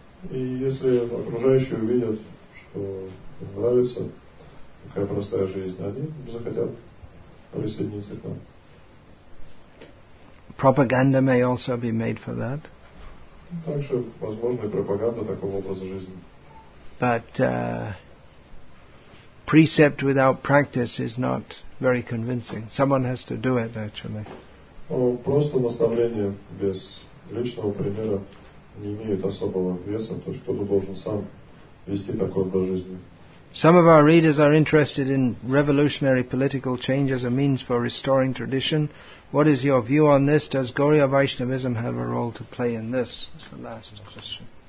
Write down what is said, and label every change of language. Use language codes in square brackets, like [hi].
[ru] И если окружающие увидят, что нравится такая простая жизнь, они захотят присоединиться к нам. [en] Propaganda may also be made for that. [ru] Также возможна пропаганда такого образа жизни. [en] But precept without practice is not very convincing. Someone has to do it, actually. [ru] Просто наставление без личного примера не имеет особого веса, то есть кто-то должен сам вести такой образ жизни. [en] Some of our readers are interested in revolutionary political change as a means for restoring tradition. What is your view on this? Does Gaudiya Vaishnavism have a role to play in this? That's the last question.